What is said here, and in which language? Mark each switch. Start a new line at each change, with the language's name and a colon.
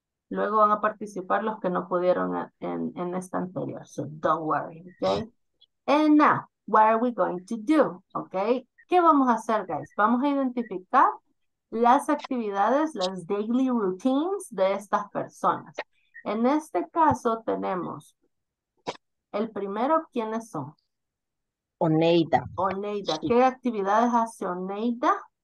Spanish: Luego van a participar los que no pudieron en esta anterior.
English: So don't worry, okay? And now, what are we going to do?
Spanish: Okay, ¿qué vamos a hacer, guys? Vamos a identificar las actividades, las
English: daily routines
Spanish: de estas personas. En este caso tenemos el primero, ¿quiénes son? Oneida. ¿Qué actividades hace Oneida?